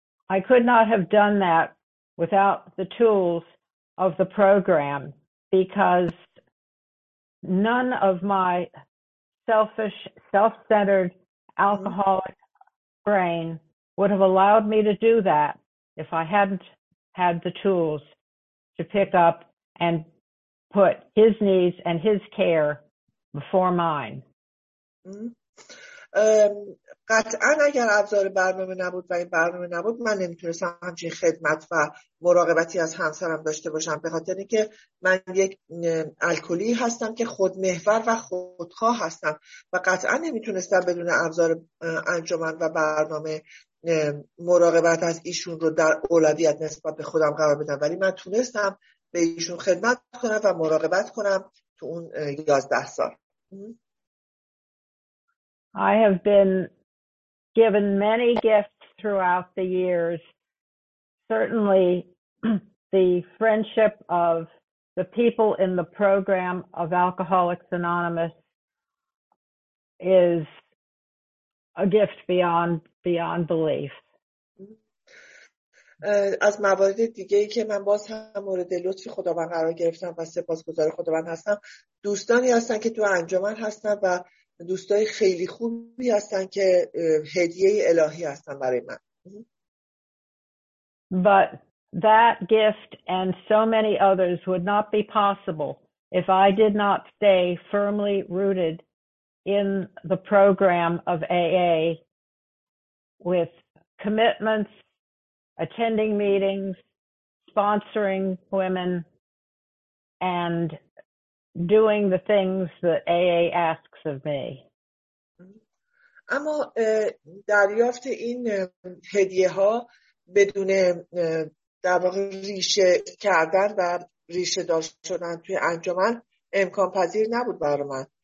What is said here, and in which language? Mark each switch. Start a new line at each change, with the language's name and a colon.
English: I could not have done that without the tools of the program because none of my selfish, self-centered alcoholic brain would have allowed me to do that if I hadn't had the tools to pick up and put his needs and his care before mine.
Persian: قطعا اگر ابزار برنامه نبود و این برنامه نبود، من نمیتونستم همچین خدمت و مراقبتی از همسرم داشته باشم، به خاطر اینکه من یک الکلی هستم که خودمحور و خودخواه هستم و قطعا نمیتونستم بدون ابزار انجمن و برنامه مراقبت از ایشون رو در اولویت نسبت به خودم قرار بدم، ولی من تونستم به ایشون خدمت کنم و مراقبت کنم تو اون 11 سال.
English: I have been given many gifts throughout the years. Certainly, the friendship of the people in the program of Alcoholics Anonymous is a gift beyond belief.
Persian: از موارد دیگه‌ای که من باز هم مورد لطف خداوند قرار گرفتم و سپاسگزار خداوند هستم، دوستانی هستن که تو انجمن هستن و دوستای خیلی خوبی هستن که هدیه الهی هستن برای من.
English: But that gift and so many others would not be possible if I did not stay firmly rooted in the program of AA with commitments, attending meetings, sponsoring women, and doing the things that AA asks of me.
Persian: اما دریافت این هدیه ها بدون در واقع ریشه کردن و ریشه دار شدن توی انجمن امکان پذیر نبود برای من.